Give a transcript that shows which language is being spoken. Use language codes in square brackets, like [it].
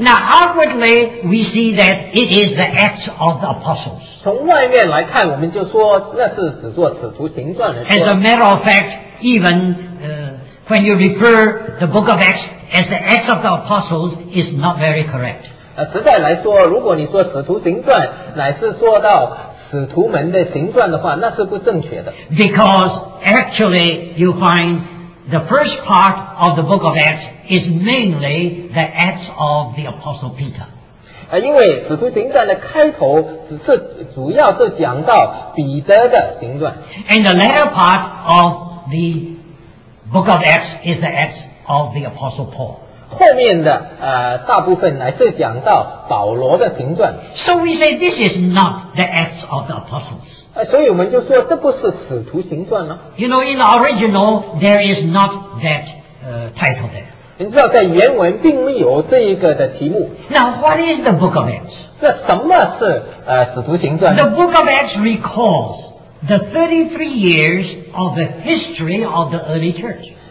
[en] Now outwardly we see that it is the Acts of the Apostles. [zh] 从外面来看，我们就说那是只做使徒行传的。 [en] As a matter of fact, even when you refer the Book of Acts as the Acts of the Apostles, is not very correct. [zh] 实在来说，如果你说使徒行传乃是说到使徒们的行传的话，那是不正确的。 [en] Because actually you find the first part of the book of Acts is mainly the Acts of the Apostle Peter. [zh] 因为使徒行传的开头只是主要是讲到彼得的行传。 [en] And the latter part of the book of Acts is the Acts of the Apostle Paul. [zh] 后面的大部分乃是讲到保罗的行传。 [en] So we say this is not the Acts of the Apostles. [zh] 所以我们就说这不是使徒行传吗？ [en] You know, in the original, there is not that title there. [zh] 你知道在原文并没有这一个的题目。 [en] Now, what is the book of Acts? [zh] 这什么是使徒行传？ [en] The book of Acts recalls the 33 years of the history of the early church.